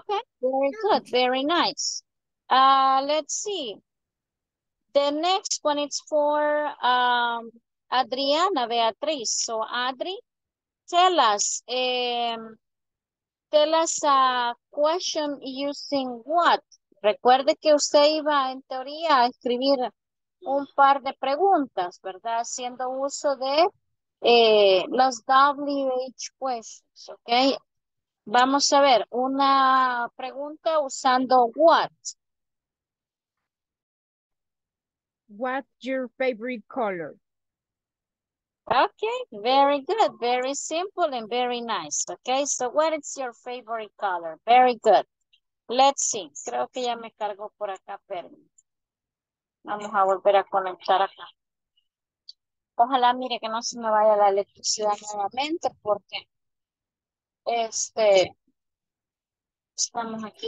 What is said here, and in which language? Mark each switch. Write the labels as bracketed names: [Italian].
[English] Okay, very good, very nice. Let's see. The next one is for Adriana Beatriz. So Adri, tell us a question using what? [Spanish] Recuerde que usted iba en teoría a escribir un par de preguntas, ¿verdad? Haciendo uso de los WH questions, ¿ok? Vamos a ver una pregunta usando what. [English] What's your favorite color? Okay, very good, very simple and very nice. Okay, so what is your favorite color? Very good. Let's see. [Spanish] Creo que ya me cargó por acá, pero vamos a volver a conectar acá. Ojalá mire que no se me vaya la electricidad nuevamente porque estamos aquí